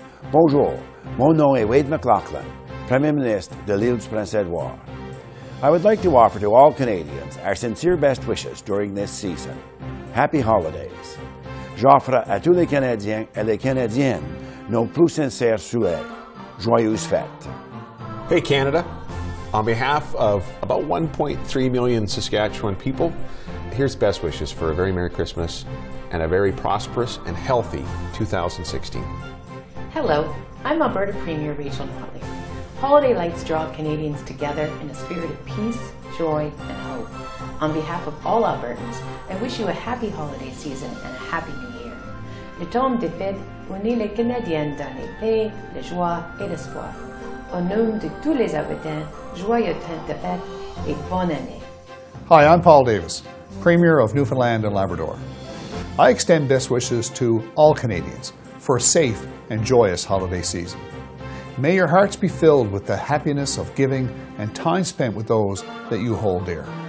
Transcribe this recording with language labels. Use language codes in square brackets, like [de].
[fr] Bonjour, mon nom est Wade McLaughlin, Premier Ministre de l'Île du Prince Edward. [en] I would like to offer to all Canadians our sincere best wishes during this season. Happy holidays. [fr] J'offre à tous les Canadiens et les Canadiennes nos plus sincères souhaits. Joyeuses fêtes. [en] Hey Canada, on behalf of about 1.3 million Saskatchewan people, here's best wishes for a very Merry Christmas and a very prosperous and healthy 2016. Hello, I'm Alberta Premier Rachel Notley. Holiday lights draw Canadians together in a spirit of peace, joy, and hope. On behalf of all Albertans, I wish you a happy holiday season and a happy new year. [fr] Le temps des fêtes unit les Canadiens dans les paix, la joie et l'espoir. Au nom de tous les habitants, joyeux temps de fête et bonne année. [en] Hi, I'm Paul Davis, Premier of Newfoundland and Labrador. I extend best wishes to all Canadians for a safe and joyous holiday season. May your hearts be filled with the happiness of giving and time spent with those that you hold dear.